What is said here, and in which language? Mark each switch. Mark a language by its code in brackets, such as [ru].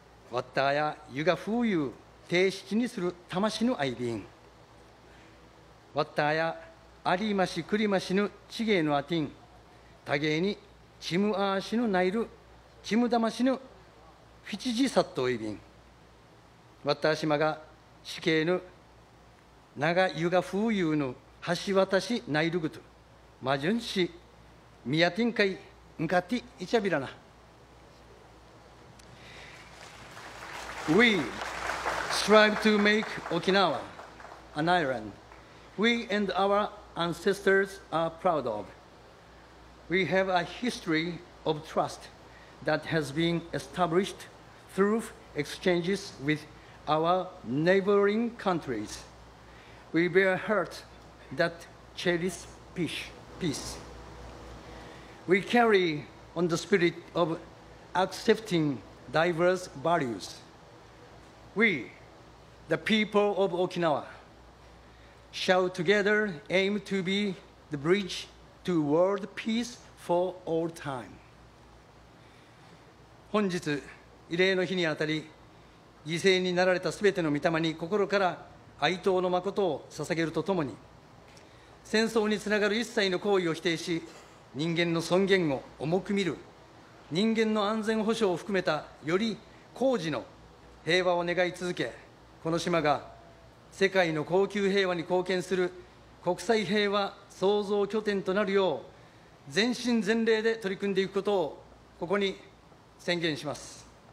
[ryu] わったあやゆがふうゆう定しちにするたましぬあいびん、わったあやありましくりましぬちげいぬあてん、たげいにちむあしぬないるちむだましぬフィチジサットおいびん、わったあしまがしけいぬながゆがふうゆうぬ橋渡しないるぐと、まじゅんしみやてんかいんかていちゃびらな。 [en] We strive to make Okinawa an island we and our ancestors are proud of. We have a history of trust that has been established through exchanges with our neighboring countries. We bear hearts that cherish peace. We carry on the spirit of accepting diverse values. We, the people of Okinawa, shall together aim to be the bridge to world peace for all time. [ja] 本日、慰霊の日にあたり、犠牲になられたすべての御霊に心から哀悼の誠を捧げるとともに、戦争につながる一切の行為を否定し、人間の尊厳を重く見る、人間の安全保障を含めたより高次の平和を願い続け、この島が世界の恒久平和に貢献する国際平和創造拠点となるよう、全身全霊で取り組んでいくことをここに宣言します。